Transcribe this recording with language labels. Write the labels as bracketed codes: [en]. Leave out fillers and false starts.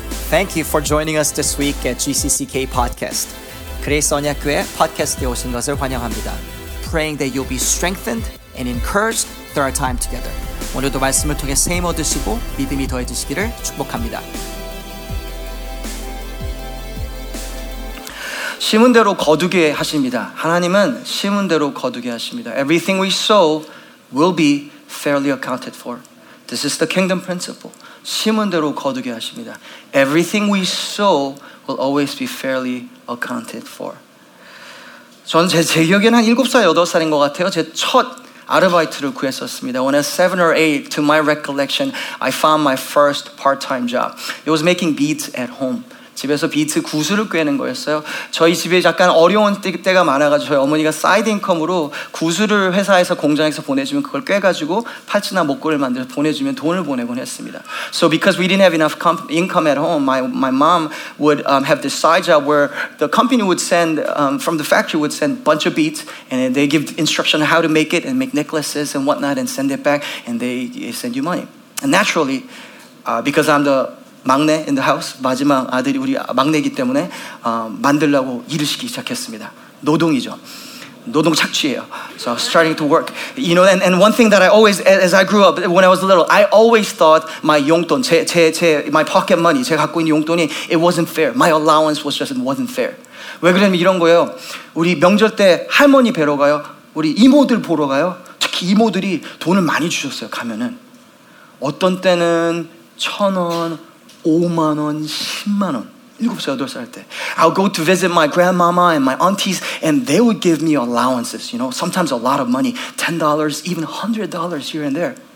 [en] Thank you for joining us this week at GCCK Podcast. [ko] 그레이스 언약교회 팟캐스트에 오신 것을 환영합니다. [en] Praying that you'll be strengthened and encouraged through our time together. [ko] 오늘도 말씀을 통해 세임 얻으시고 믿음이 더해지시기를 축복합니다. 심은 대로 거두게 하십니다. 하나님은 심은 대로 거두게 하십니다. [en] Everything we sow will be fairly accounted for. This is the kingdom principle. [ko] 심은 대로 거두게 하십니다. [en] Everything we sow will always be fairly accounted for. [ko] 전 제 기억에는 한 7살, 8살인 것 같아요. 제 첫 아르바이트를 구했었습니다. [en] When I was 7 or 8, to my recollection, I found my first part-time job. It was making beats at home. [ko] 집에서 비트 구슬을 꿰는 거였어요. 저희 집에 약간 어려운 때가 많아가지고 저희 어머니가 사이드 인컴으로 구슬을 회사에서 공장에서 보내주면 그걸 꿰가지고 팔찌나 목걸이를 만들어 보내주면 돈을 보내곤 했습니다. [en] So because we didn't have enough income at home, my mom would have this side job where the company would send, from the factory would send a bunch of beats and they give instruction on how to make it and make necklaces and whatnot and send it back and they send you money. And naturally, because I'm the 막내 in the house, [ko] 마지막 아들이 우리 막내이기 때문에 만들려고 일을 시키기 시작했습니다. 노동이죠. 노동 착취예요. [en] So I was starting to work. You know, and one thing that I always, as I grew up, when I was little, I always thought my 용돈, 제 my pocket money, [ko] 제가 갖고 있는 용돈이 [en] it wasn't fair. My allowance was just wasn't fair. [ko] 왜 그러냐면 이런 거예요. 우리 명절 때 할머니 뵈러 가요. 우리 이모들 보러 가요. 특히 이모들이 돈을 많이 주셨어요, 가면은. 어떤 때는 1,000원, 5만 원, 10만 원, 7살, 8살 때. [en] I'll go to visit my grandmama and my aunties and they would give me allowances, you know, sometimes a lot of money, $10, even $100 here and there.